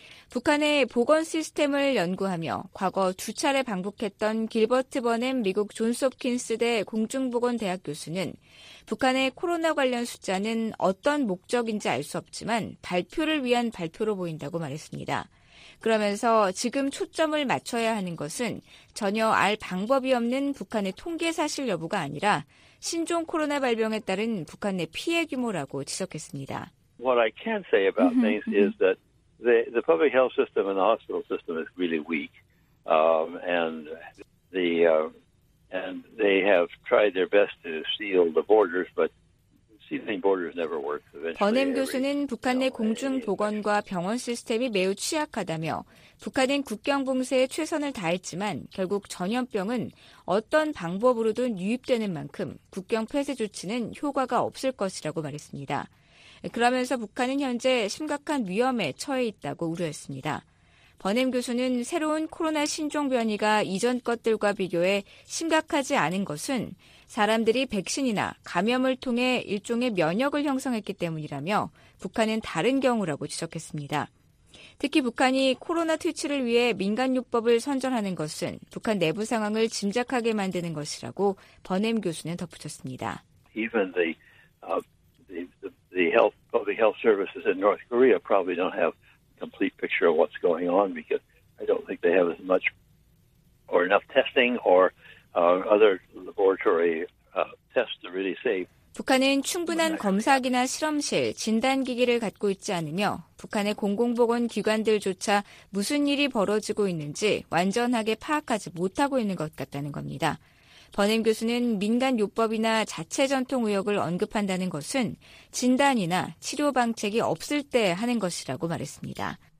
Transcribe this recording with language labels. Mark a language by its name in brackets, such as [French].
[Korean] 북한의 보건 시스템을 연구하며 과거 두 차례 방북했던 길버트 버넴 미국 존스홉킨스 대 공중보건대학 교수는 북한의 코로나 관련 숫자는 어떤 목적인지 알 수 없지만 발표를 위한 발표로 보인다고 말했습니다. 그러면서 지금 초점을 맞춰야 하는 것은 전혀 알 방법이 없는 북한의 통계 사실 여부가 아니라 신종 코로나 발병에 따른 북한의 피해 규모라고 지적했습니다. [English] What I can say about things is that the public health system and the hospital system is really weak. And they have tried their best to seal the borders, but [Korean] 버넴 교수는 북한의 공중보건과 병원 시스템이 매우 취약하다며 북한은 국경 봉쇄에 최선을 다했지만 결국 전염병은 어떤 방법으로든 유입되는 만큼 국경 폐쇄 조치는 효과가 없을 것이라고 말했습니다. 그러면서 북한은 현재 심각한 위험에 처해 있다고 우려했습니다. 버넴 교수는 새로운 코로나 신종 변이가 이전 것들과 비교해 심각하지 않은 것은 사람들이 백신이나 감염을 통해 일종의 면역을 형성했기 때문이라며 북한은 다른 경우라고 지적했습니다. 특히 북한이 코로나 퇴치를 위해 민간요법을 선전하는 것은 북한 내부 상황을 짐작하게 만드는 것이라고 버넴 교수는 덧붙였습니다. [English] Even the public health services in North Korea probably don't have complete picture of what's going on because I don't think they have as much or enough testing or other laboratory tests to really say. [Korean] 북한은 충분한 검사기나 실험실, 진단기기를 갖고 있지 않으며 북한의 공공보건 기관들조차 무슨 일이 벌어지고 있는지 완전하게 파악하지 못하고 있는 것 같다는 겁니다. 버넴 교수는 민간요법이나 자체 전통 의혹을 언급한다는 것은 진단이나 치료 방책이 없을 때 하는 것이라고 말했습니다.